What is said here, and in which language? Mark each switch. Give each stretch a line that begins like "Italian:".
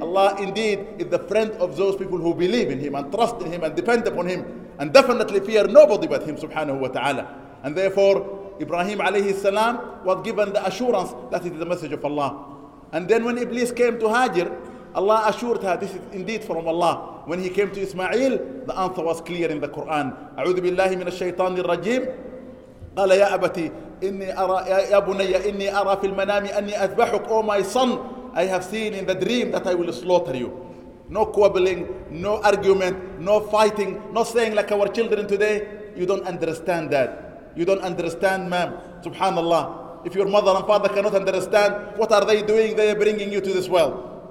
English: Allah indeed is the friend of those people who believe in Him and trust in Him and depend upon Him and definitely fear nobody but Him subhanahu wa ta'ala. And therefore, Ibrahim alayhi salam was given the assurance that it is the message of Allah. And then when Iblis came to Hajar, Allah assured her, this is indeed from Allah. When he came to Ismail, the answer was clear in the Quran.
Arabic: A'udhu billahi min ash-shaytanir rajim. قال يا أبتي إني أرى يا بني إني أرى في المنام أني أذبحك.
English: Oh my son, I have seen in the dream that I will slaughter you. No quibbling, no argument, no fighting, no saying like our children today. You don't understand that. You don't understand, ma'am. Subhanallah. If your mother and father cannot understand, what are they doing? They are bringing you to this world.